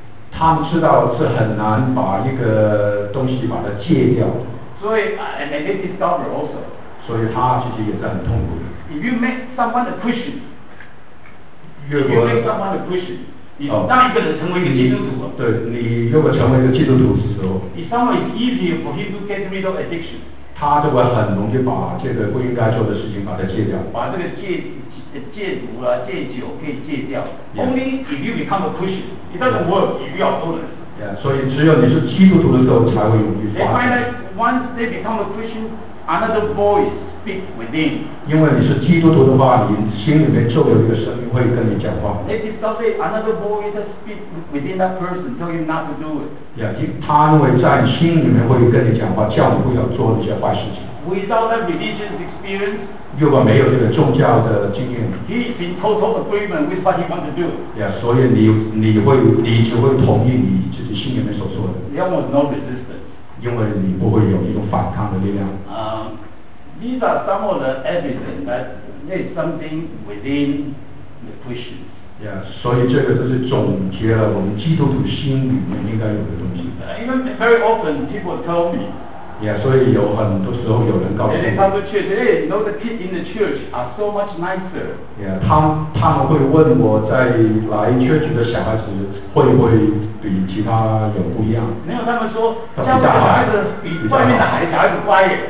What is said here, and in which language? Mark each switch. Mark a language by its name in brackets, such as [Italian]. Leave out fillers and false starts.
[Chinese] 他们知道是很难把一个东西把它戒掉。所以 [English] and they discover also. [Chinese] 所以他其实也在很痛苦。 [English] If you make someone a Christian, if you make someone a Christian, [Chinese] 你当一个人成为一个基督徒，对，你如果成为一个基督徒的时候 [English] ，It's somewhat easier for him to get rid of addiction. [Chinese] 他就会很容易把这个不应该做的事情把它戒掉，把这个戒毒啊、戒酒可以戒掉。 [English] Yeah. Only if you become a Christian, it doesn't work. If you are honest. [Chinese] Yeah, 所以只有你是基督徒的时候才会容易发生。 [English] They find that once they become a Christian, another voice. Within. [Chinese] 因为你是基督徒的话，你心里面就有一个声音会跟你讲话。 [English] They discover another voice speak within that person, tell you not to do it. [Chinese] Yeah, 他因为在心里面会跟你讲话，叫你不要做一些坏事情。 [English] Without that religious experience, [Chinese] 如果没有这个宗教的经验 [English] ，He is in total agreement with what he wants to do. [Chinese] Yeah, 所以你只会同意你自己心里面所说的。 [English] There was no resistance. [Chinese] 因为你不会有一种反抗的力量。 [English] These are some of the evidence that there is something within the Christian. [Chinese] Yeah, 所以这个就是总结了我们基督徒心里面应该有的东西。 [English] Even very often people tell me. [Chinese] Yeah, 所以有很多时候有人告诉我。 [English] They come to church, hey, you know the kids in the church are so much nicer. [Chinese] Yeah, 他们会问我在来 church 的小孩子会不会比其他有不一样。没有，他们说他们家孩子比外面的孩子乖耶。